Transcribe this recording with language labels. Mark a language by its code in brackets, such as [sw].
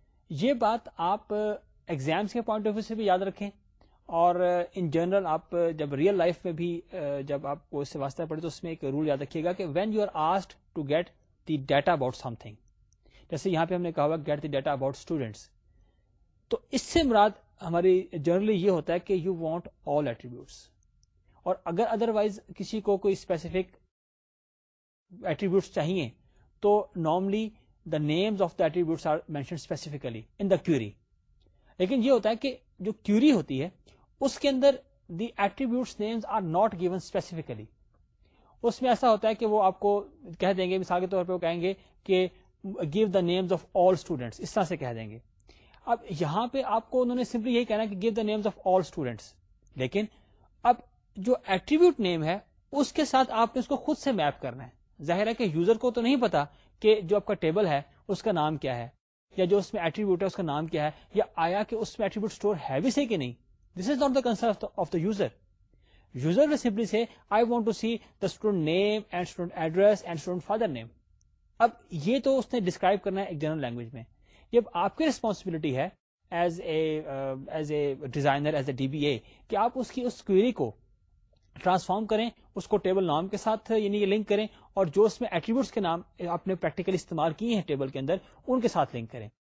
[ur] یہ بات آپ ایگزامس کے پوائنٹ آف ویو سے بھی یاد رکھیں, اور ان جنرل آپ جب ریئل لائف میں بھی جب آپ کو اس سے واسطہ پڑے تو اس میں ایک رول یاد رکھیے گا کہ [en] when you are asked to get the data about something, [ur] جیسے یہاں پہ ہم نے کہا ہوا [en] get the data about students, [ur] تو اس سے مراد ہماری جنرلی یہ ہوتا ہے کہ [en] You want all attributes. [ur] اور اگر ادروائز کسی کو کوئی اسپیسیفک ایٹریبیوٹس چاہیے تو [en] Normally the names of the attributes are mention specifically in the query. [ur] لیکن یہ ہوتا ہے کہ جو کیوری ہوتی ہے اس کے اندر [en] The attributes names are not given specifically. [ur] اس میں ایسا ہوتا ہے کہ وہ آپ کو کہہ دیں گے, مثال کے طور پہ وہ کہیں گے کہ [en] give the names of all students, [ur] اس طرح سے کہہ دیں گے. اب یہاں پہ آپ کو انہوں نے سمپلی یہی کہنا کہ [en] give the names of all students, [ur] لیکن اب جو ایٹریبیوٹ نیم ہے اس کے ساتھ آپ نے اس کو خود سے میپ کرنا ہے. ظاہر ہے کہ یوزر کو تو نہیں پتا کہ جو آپ کا ٹیبل ہے اس کا نام کیا ہے, یا جو اس میں ایٹریبیوٹ ہے اس کا نام کیا ہے, یا آیا کہ اس میں ایٹریبیوٹ اسٹور ہے بھی سے کہ نہیں. [en] This is not the concern of the user. User نے simply say I want to see the student name and student address and student father name. [ur] اب یہ تو اس نے ڈسکرائب کرنا ہے ایک جنرل لینگویج میں. جب آپ کی ریسپانسبلٹی ہے [en] as a designer, as a D B A, [ur] کہ آپ اس کی اس کوئری کو ٹرانسفارم کریں, اس کو ٹیبل نام کے ساتھ یعنی یہ لنک کریں, اور جو اس میں ایٹریبیوٹس کے نام آپ نے پریکٹیکلی استعمال کیے ہیں ٹیبل کے اندر ان کے ساتھ لنک کریں.